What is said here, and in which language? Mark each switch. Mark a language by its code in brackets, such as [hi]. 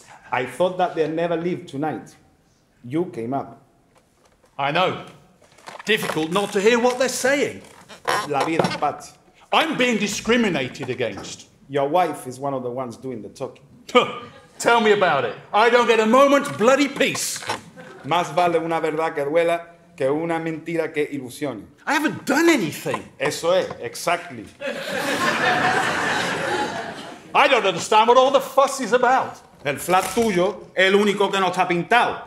[en] I thought that they'd never leave tonight. You came up. I know. Difficult not to hear what they're saying. [es] La vida, but... [en] I'm being discriminated against. Your wife is one of the ones doing the talking. Tell me about it. I don't get a moment's bloody peace. [es] Más vale una verdad que duela que una mentira que ilusione. [en] I haven't done anything. [es] Eso es, exactly. [en] I don't understand what all the fuss is about. [es] El flat tuyo es el único que no está pintado.